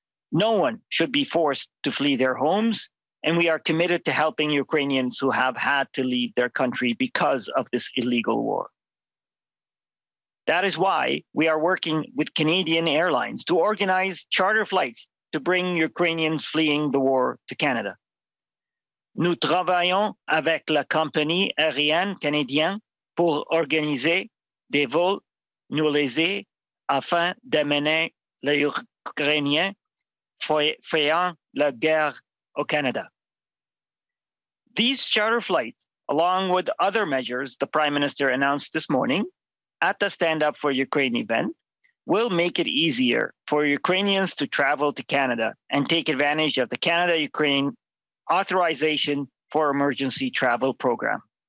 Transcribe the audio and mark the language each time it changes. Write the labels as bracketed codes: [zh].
[en] No one should be forced to flee their homes, and we are committed to helping Ukrainians who have had to leave their country because of this illegal war. That is why we are working with Canadian Airlines to organize charter flights to bring Ukrainians fleeing the war to Canada. [fr] Nous travaillons avec la compagnie aérienne canadienne pour organiser des vols non légers afin d'amener les Ukrainiens fuyant la guerre au Canada. [en] These charter flights, along with other measures the Prime Minister announced this morning, at the Stand Up for Ukraine event, will make it easier for Ukrainians to travel to Canada and take advantage of the Canada-Ukraine Authorization for Emergency Travel Program.